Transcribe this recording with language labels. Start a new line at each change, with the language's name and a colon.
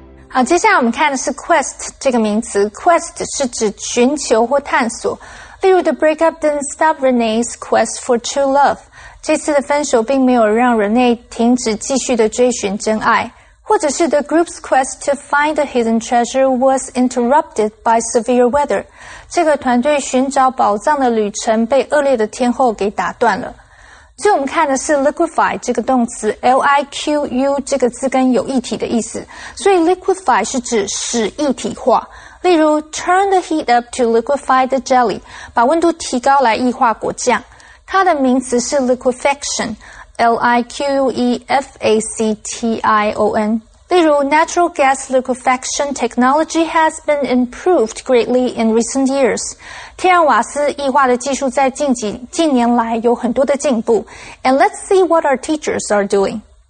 Chinese: 好，接下来我们看的是 quest 这个名词。quest 是指寻求或探索。例如
English: ，The breakup didn't stop Renee's quest for true love。
Chinese: 这次的分手并没有让 Renee 停止继续的追寻真爱。或者是
English: The group's quest to find the hidden treasure was interrupted by severe weather。
Chinese: 这个团队寻找宝藏的旅程被恶劣的天候给打断了。所以我们看的是 liquefy 这个动词 L-I-Q-U 这个字根有液体的意思，所以 liquefy 是指使液体化，例如
English: turn the heat up to liquefy the jelly，
Chinese: 把温度提高来液化果酱。它的名词是 liquefaction， L-I-Q-U-E-F-A-C-T-I-O-N。
English: 例如 natural gas liquefaction technology has been improved greatly in recent years，
Chinese: 天然瓦斯液化的技术在近年来有很多的进步。
English: And let's see what our teachers are doing.